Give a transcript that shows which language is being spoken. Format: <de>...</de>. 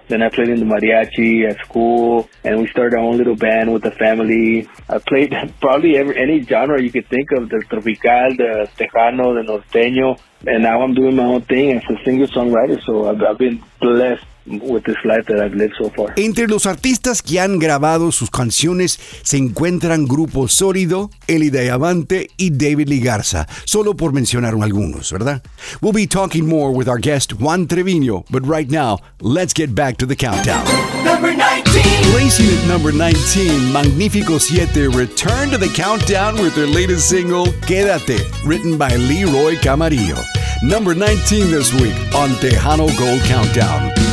<en>Then I played in the mariachi at school, and we started our own little band with the family. I played probably any genre you could think of, the tropical, the tejano, the norteño. And now I'm doing my own thing as a singer-songwriter, so I've been blessed with this life that I've lived so far.</en> <es>Entre los artistas que han grabado sus canciones se encuentran Grupo Sólido, Eli Diamante, y David Ligarza, solo por mencionar algunos, ¿verdad?</es> <en>We'll be talking more with our guest Juan Treviño, but right now, let's get back to the countdown. Number 19. Placing at number 19, Magnífico 7 return to the countdown with their latest single, Quédate, written by Leroy Camarillo. Number 19 this week on Tejano Gold Countdown.</en>